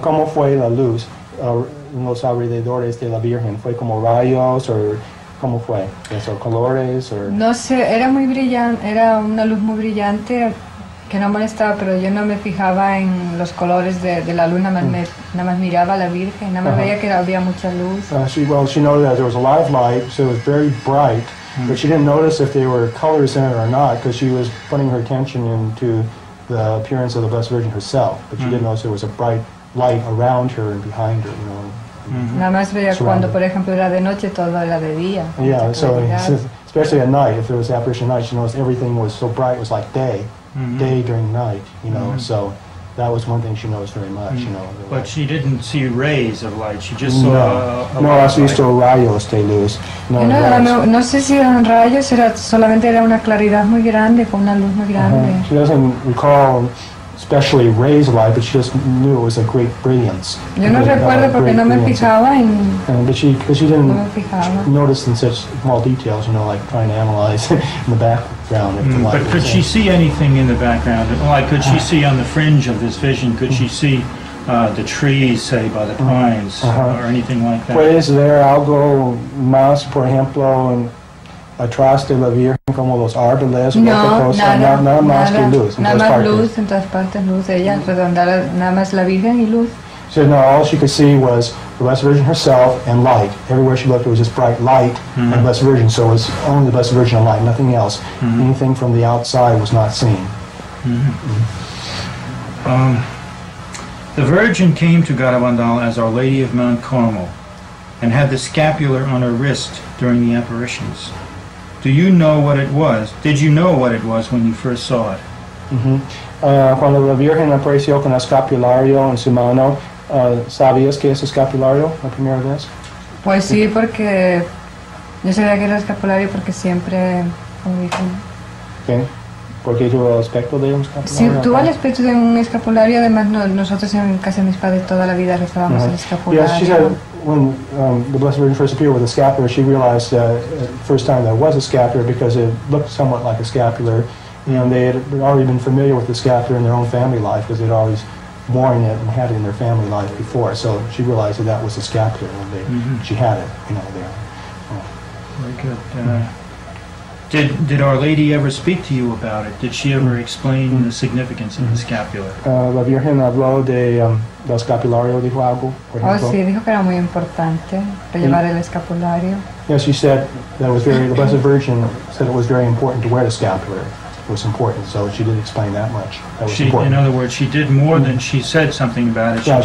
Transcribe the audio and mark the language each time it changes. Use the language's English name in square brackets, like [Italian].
[Spanish] ¿Cómo fue la luz en los alrededores de la Virgen? ¿Fue como rayos, or cómo fue? ¿Eso, colores, or? No sé, era muy brillante, era una luz muy brillante que no molestaba, pero yo no me fijaba en los colores de la luna, nada más miraba a la Virgen, nada más veía que había mucha luz. [English] She noted that there was a lot of light, so it was very bright, but she didn't notice if there were colors in it or not, because she was putting her attention into the appearance of the Blessed Virgin herself, but she didn't notice there was a bright light around her and behind her, you know. [Spanish] Nada más veía cuando, por ejemplo, era de noche, todo era de día. [English] Yeah, so especially at night, if there was apparition at night, she noticed everything was so bright, it was like day. Mm-hmm. Day during night, you know, mm-hmm. so that was one thing she noticed very much, mm-hmm. you know. But she didn't see rays of light, she just saw light. [Spanish] No, rayos de luz. No sé si eran rayos, solamente era una claridad muy grande, con una luz muy grande. Uh-huh. [English] She doesn't recall especially rays of light, but she just knew it was a great brilliance. [Spanish] Yo no recuerdo porque no me fijaba en... [English] But she didn't notice in such small details, you know, like trying to analyze in the background. But could she see anything in the background? Like, could she see on the fringe of this vision? Could she see the trees, say, by the pines, or anything like that? [Spanish] Pues ver algo más, por ejemplo, en atrás de la Virgen, como los árboles, no, otra cosa. Nada más que luz. Nada más luz en todas partes, luz. Ella redondada, nada más la Virgen y luz. [English] So no, all she could see was the Blessed Virgin herself and light. Everywhere she looked, it was just bright light mm-hmm. and Blessed Virgin. So it was only the Blessed Virgin and light, nothing else. Mm-hmm. Anything from the outside was not seen. Mm-hmm. Mm-hmm. The Virgin came to Garabandal as Our Lady of Mount Carmel and had the scapular on her wrist during the apparitions. Do you know what it was? Did you know what it was when you first saw it? Mm-hmm. [Spanish] Cuando la Virgen apareció con el escapulario en su mano, ¿sabías que es escapulario la primera vez? Pues sí, porque yo sabía que era escapulario porque siempre, como dije, ¿qué? ¿Porque tuvo el aspecto de un escapulario? Sí, tuvo el aspecto de un escapulario. Además, no, nosotros en casa de mis padres toda la vida rezábamos el escapulario. [English] Yes, she said when the Blessed Virgin first appeared with a scapular, she realized the first time that it was a scapular because it looked somewhat like a scapular. And they had already been familiar with the scapular in their own family life because they'd always worn it and had it in their family life before. So she realized that that was the scapular when they, mm-hmm. she had it, you know, there. Very good. Mm-hmm. Did Our Lady ever speak to you about it? Did she ever explain mm-hmm. the significance of mm-hmm. the scapular? [Spanish] La Virgen habló del escapulario, dijo algo, por ejemplo. Oh, sí, dijo que era muy importante para llevar el escapulario. [English] Yes, she said that was very, the Blessed Virgin said it was very important to wear the scapular. Was important, so she didn't explain that much. That was she, in other words, she did more than she said something about it.